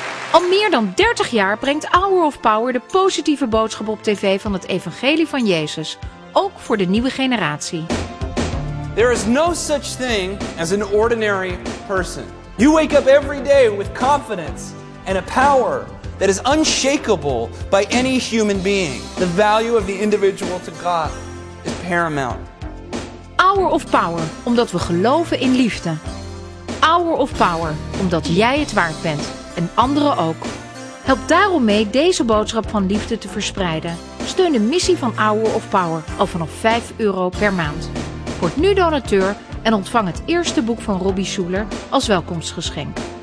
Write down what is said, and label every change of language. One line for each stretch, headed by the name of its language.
Dutch: Al meer dan 30 jaar brengt Hour of Power de positieve boodschap op tv van het evangelie van Jezus, ook voor de nieuwe generatie.
English: There is no such thing as an ordinary person. You wake up every day with confidence and a power that is unshakable by any human being. The value of the individual to God is paramount.
Dutch: Hour of Power, omdat we geloven in liefde. Hour of Power, omdat jij het waard bent en anderen ook. Help daarom mee deze boodschap van liefde te verspreiden. Steun de missie van Hour of Power al vanaf €5 per maand. Word nu donateur en ontvang het eerste boek van Robbie Soeler als welkomstgeschenk.